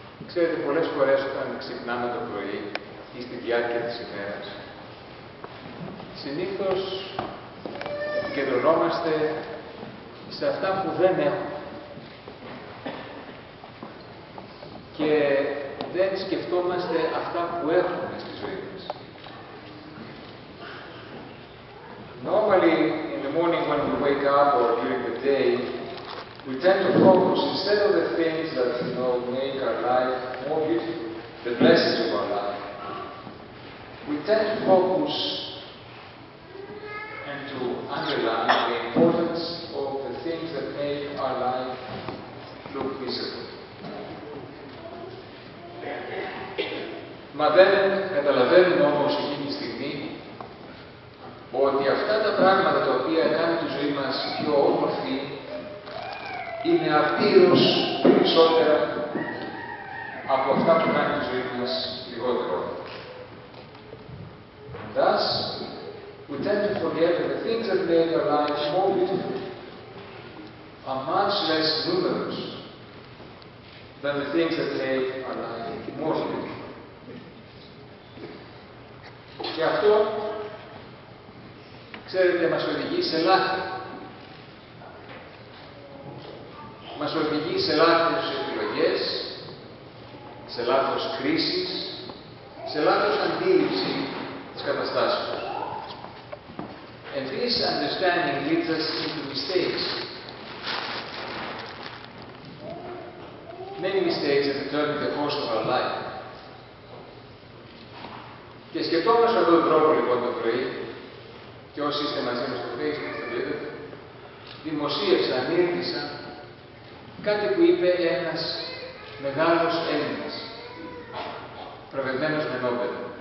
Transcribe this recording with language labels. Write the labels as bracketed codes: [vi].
[el] Ξέρετε, πολλές φορές όταν ξυπνάμε το πρωί ή στη διάρκεια της ημέρας, συνήθως επικεντρωνόμαστε σε αυτά που δεν έχουμε και δεν σκεφτόμαστε αυτά που έχουμε στη ζωή μας. [en] Normally, in the morning when we wake up or during the day, we tend to focus instead of the things that, you know, make our life more beautiful, the blessings of our life. We tend to focus and to underline the importance of the things that make our life look miserable. [el] Μα δεν καταλαβαίνουμε όμως εκείνη τη στιγμή ότι αυτά τα πράγματα τα οποία κάνουν τη ζωή μας πιο όμορφη είναι απείρως περισσότερα από αυτά που κάνει τη ζωή μας λιγότερο. Thus, we tend to forget that the things that make our lives more beautiful are much less numerous than the things that make our life more beautiful. Και αυτό, ξέρετε, μας οδηγεί σε λάθη. Μας οδηγεί σε λάθος επιλογές, σε λάθος κρίσης, σε λάθος αντίληψη της καταστάσεως. [en] And this understanding leads us into mistakes. Many mistakes that determine the course of our life. [el] Και σκεφτόμαστε αυτόν τον τρόπο λοιπόν το πρωί, και όσοι είστε μαζί μας στο Facebook, στο Twitter, δημοσίευσαν, ήρθισαν, κάτι που είπε ένας μεγάλος Έλληνας, προβεβαίνος με Νόμπελ.